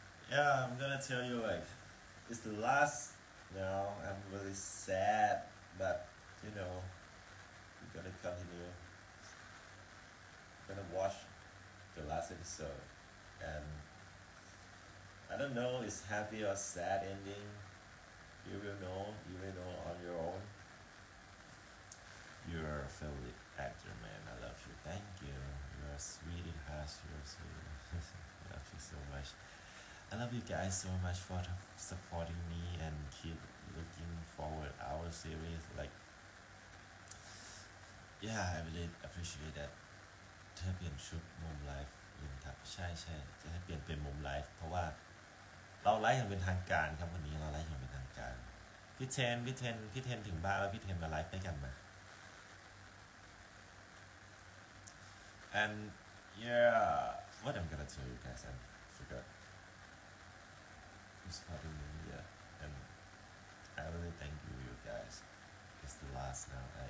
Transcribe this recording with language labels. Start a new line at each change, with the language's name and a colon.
English: Yeah, I'm gonna tell you, like, it's the last now. I'm really sad, but, you know, we're gonna continue. Gonna watch the last episode and I don't know it's happy or sad ending you will know on your own you're a favorite actor man I love you thank you you're sweet it has your soul I love you so much I love you guys so much for supporting me and keep looking forward our series like yeah I really appreciate that
Thai: จะเปลี่ยนชุดมุมไลฟ์ยินครับใช่จะให้เปลี่ยนเป็นมุมไลฟ์เพราะว่าเราไลฟ์อย่างเป็นทางการครับวันนี้เราไลฟ์อย่างเป็นทางการพี่เทนถึงบ้านแล้วพี่เทนมาไลฟ์ด้วยกันมา
English: And yeah, what I'm gonna tell you guys, I forgot. It's probably me, yeah. And I really thank you guys. It's the last now.